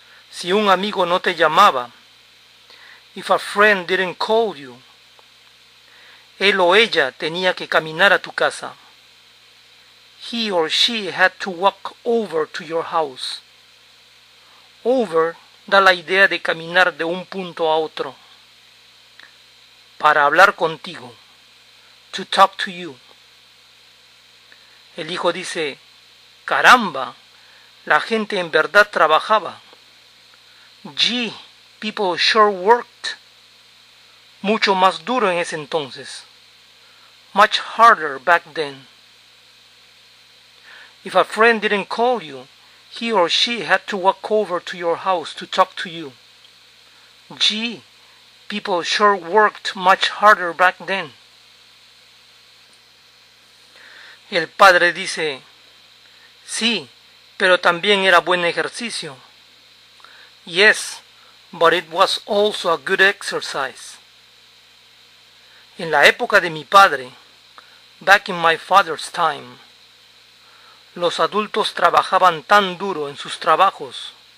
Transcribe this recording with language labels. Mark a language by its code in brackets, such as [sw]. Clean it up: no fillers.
[es] Si un amigo no te llamaba, [en] if a friend didn't call you, [es] él o ella tenía que caminar a tu casa. [en] He or she had to walk over to your house. [es] Over da la idea de caminar de un punto a otro. Para hablar contigo. [en] To talk to you. [es] El hijo dice, caramba, la gente en verdad trabajaba. [en] Gee, people sure worked. [es] Mucho más duro en ese entonces. [en] Much harder back then. If a friend didn't call you, he or she had to walk over to your house to talk to you. Gee, people sure worked much harder back then. [es] El padre dice, sí, pero también era buen ejercicio. [en] Yes, but it was also a good exercise. [es] En la época de mi padre, [en] back in my father's time, [es] los adultos trabajaban tan duro en sus trabajos.